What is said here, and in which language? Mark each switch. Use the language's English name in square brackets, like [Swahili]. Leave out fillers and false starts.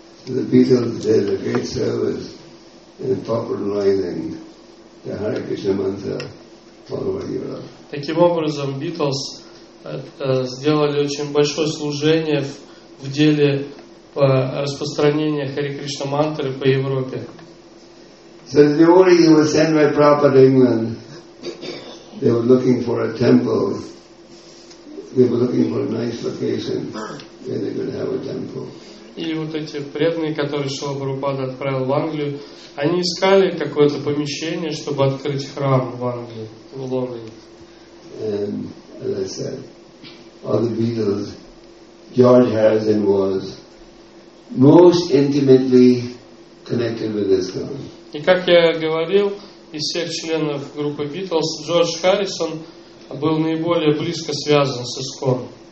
[English] The Beatles did a great service in popularizing the Hari Krishna mantra all over Europe. [Russian] Таким образом, Beatles сделали очень большое служение в деле по распространению Хари Кришна мантры по Европе. [English] So the devotees were sent by Prabhupada England. They were looking for a temple. They were looking for a nice location where they could have a temple. [Russian] И вот эти преданные, которые Шрила Прабхупада отправил в Англию, они искали какое-то помещение, чтобы открыть храм в Англии, в Лондоне. [English] And as I said, all the Beatles, George Harrison was most intimately connected with this God. [Russian] И как я говорил, из всех членов группы Beatles, Джордж Харрисон был наиболее близко связан с ИСКОН.